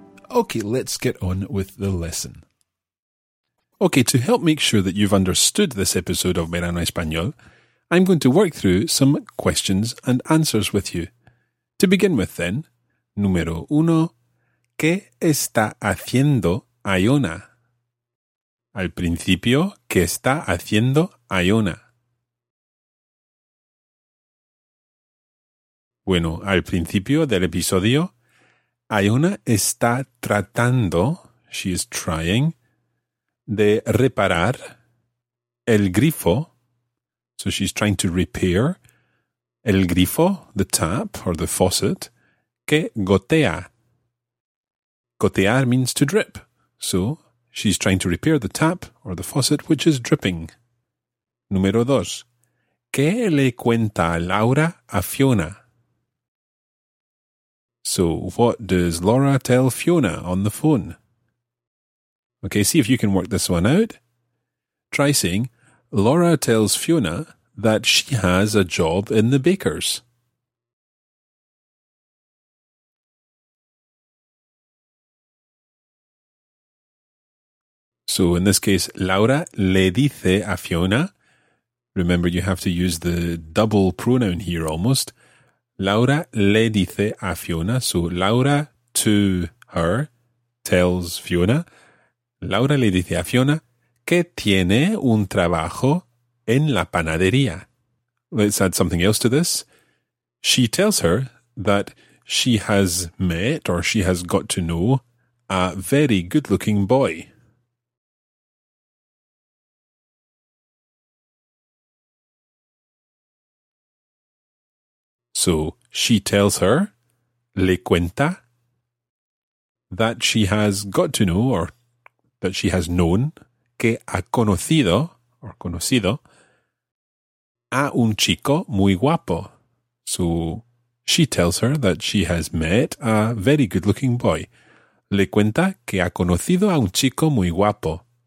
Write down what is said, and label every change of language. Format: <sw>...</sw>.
<en>Okay, let's get on with the lesson. Okay, to help make sure that you've understood this episode of Verano Español, I'm going to work through some questions and answers with you.</en> <es>To begin with then, número uno, ¿qué está haciendo Iona? Al principio, ¿qué está haciendo Iona? Bueno, al principio del episodio, Iona está tratando, she is trying, de reparar el grifo.</es> <en>So she's trying to repair el grifo, the tap or the faucet, que gotea. Gotear means to drip. So she's trying to repair the tap or the faucet, which is dripping.</en> <es>Número dos. ¿Qué le cuenta Laura a Fiona?</es> <en>So, what does Laura tell Fiona on the phone? Okay, see if you can work this one out. Try saying, Laura tells Fiona that she has a job in the baker's. So, in this case, Laura le dice a Fiona. Remember, you have to use the double pronoun here almost. Laura le dice a Fiona. So, Laura to her tells Fiona.</en> <es>Laura le dice a Fiona que tiene un trabajo en la panadería.</es> <en>Let's add something else to this. She tells her that she has met or she has got to know a very good-looking boy. So, she tells her, le cuenta, that she has got to know, or that she has known, que ha conocido, or conocido, a un chico muy guapo. So, she tells her that she has met a very good-looking boy.</en> <es>Le cuenta que ha conocido a un chico muy guapo.</es>